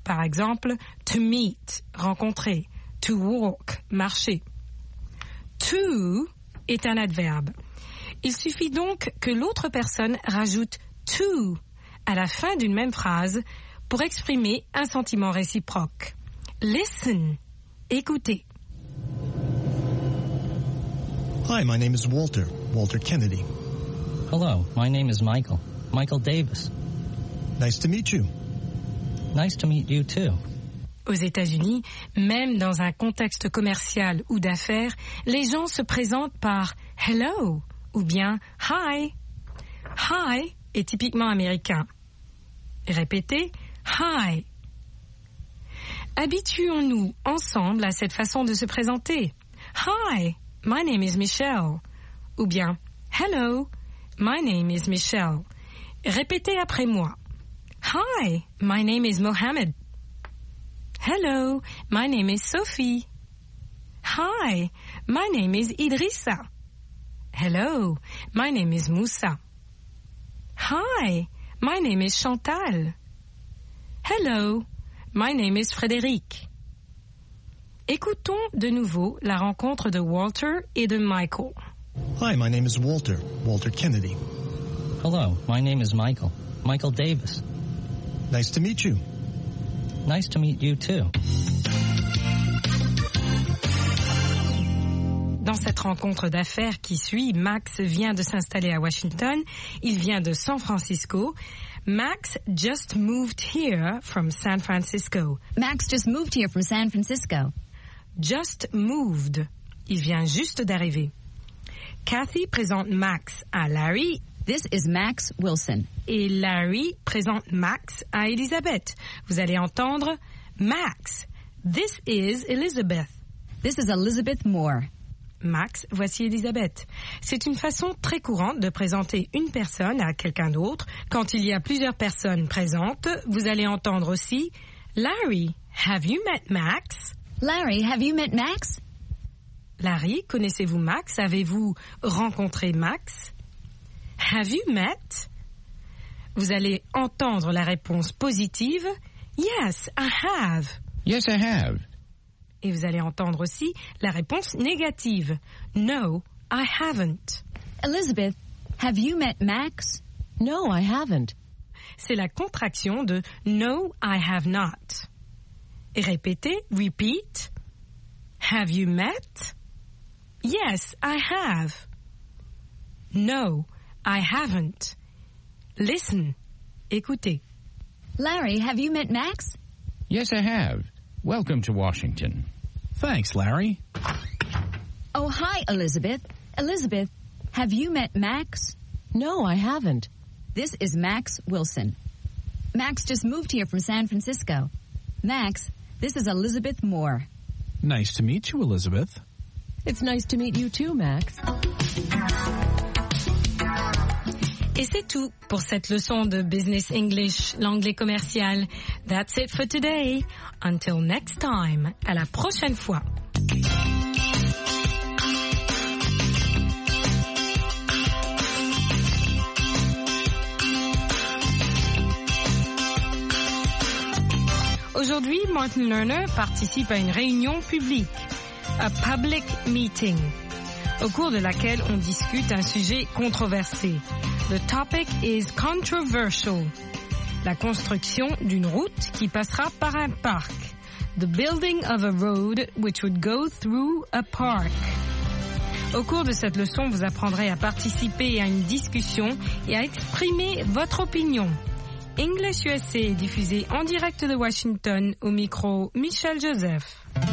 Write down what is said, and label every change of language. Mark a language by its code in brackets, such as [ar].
[fr] Par exemple, [en] to meet, [fr] rencontrer. [en] To walk, [fr] marcher. To est un adverbe. Il suffit donc que l'autre personne rajoute to à la fin d'une même phrase pour exprimer un sentiment réciproque. [en] Listen, [fr] écoutez. [en] Hi, my name is Walter, Walter Kennedy. Hello, my name is Michael, Michael Davis. Nice to meet you. Nice to meet you too. [fr] Aux États-Unis, même dans un contexte commercial ou d'affaires, les gens se présentent par « hello » ou bien « hi ».« Hi » est typiquement américain. Répétez « hi ». Habituons-nous ensemble à cette façon de se présenter. [en] « Hi, my name is Michelle » [fr] ou bien [en] « hello, my name is Michelle ». [fr] Répétez après moi. [en] « Hi, my name is Mohammed ». Hello, my name is Sophie. Hi, my name is Idrissa. Hello, my name is Moussa. Hi, my name is Chantal. Hello, my name is Frédéric. [fr] Écoutons de nouveau la rencontre de Walter et de Michael. [en] Hi, my name is Walter, Walter Kennedy. Hello, my name is Michael, Michael Davis. Nice to meet you. Nice to meet you too. [fr] Dans cette rencontre d'affaires qui suit, Max vient de s'installer à Washington. Il vient de San Francisco. [en] Max just moved here from San Francisco. Max just moved here from San Francisco. Just moved. [fr] Il vient juste d'arriver. Kathy présente Max à Larry. [en] This is Max Wilson. [fr] Et Larry présente Max à Elizabeth. Vous allez entendre Max. [en] This is Elizabeth. This is Elizabeth Moore. [fr] Max, voici Elizabeth. C'est une façon très courante de présenter une personne à quelqu'un d'autre. Quand il y a plusieurs personnes présentes, vous allez entendre aussi Larry, [en] have you met Max? Larry, have you met Max? [fr] Larry, connaissez-vous Max? Avez-vous rencontré Max? [en] Have you met? [fr] Vous allez entendre la réponse positive. [en] Yes, I have. Yes, I have. [fr] Et vous allez entendre aussi la réponse négative. [en] No, I haven't. Elizabeth, have you met Max? No, I haven't. [fr] C'est la contraction de [en] no, I have not. [fr] Et répétez, [en] repeat. Have you met? Yes, I have. No, I haven't. Listen. [fr] Écoutez. [en] Larry, have you met Max? Yes, I have. Welcome to Washington. Thanks, Larry. Oh, hi, Elizabeth. Elizabeth, have you met Max? No, I haven't. This is Max Wilson. Max just moved here from San Francisco. Max, this is Elizabeth Moore. Nice to meet you, Elizabeth. It's nice to meet you too, Max. [fr] Et c'est tout pour cette leçon de [en] Business English, [fr] l'anglais commercial. [en] That's it for today. Until next time, [fr] à la prochaine fois. Aujourd'hui, Martin Lerner participe à une réunion publique, [en] a public meeting, [fr] au cours de laquelle on discute un sujet controversé. [en] The topic is controversial. [fr] La construction d'une route qui passera par un parc. [en] The building of a road which would go through a park. [fr] Au cours de cette leçon, vous apprendrez à participer à une discussion et à exprimer votre opinion. English USA est diffusé en direct de Washington au micro Michel Joseph.